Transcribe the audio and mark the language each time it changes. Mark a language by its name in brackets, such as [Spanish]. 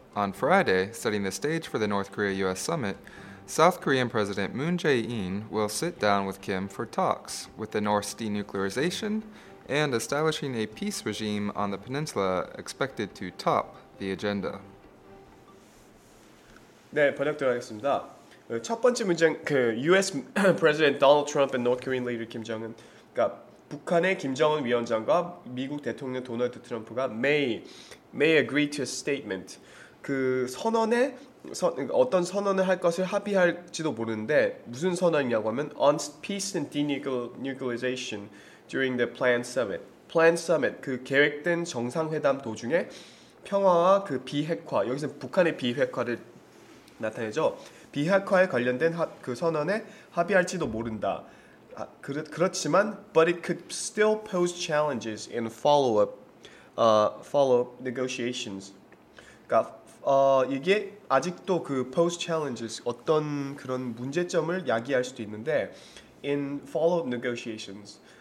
[English] On Friday, setting the stage for the North Korea-U.S. summit, South Korean President Moon Jae-in will sit down with Kim for talks with the North's denuclearization and establishing a peace regime on the peninsula expected to top the agenda. [Korean] 네, 번역대로 하겠습니다. 첫 번째 문장, 그 [English] US President Donald Trump and North Korean leader Kim Jong-un [Korean] 그러니까 북한의 김정은 위원장과 미국 대통령 도널드 트럼프가 [English] may agree to a statement [Korean] 그 선언에 어떤 선언을 할 것을 합의할지도 모르는데 무슨 선언이냐고 하면 [English] on peace and denuclearization during the planned summit Planned summit, [Korean] 계획된 정상회담 도중에 평화와 그 비핵화 여기서 북한의 비핵화를 나타내죠. 비핵화에 관련된 그 선언에 합의할지도 모른다. 아, 그렇지만 [English] but it could still pose challenges in follow-up negotiations. [Korean] 그러니까 이게 아직도 그 [English] pose challenges [Korean] 어떤 그런 문제점을 야기할 수도 있는데 [English] in follow-up negotiations.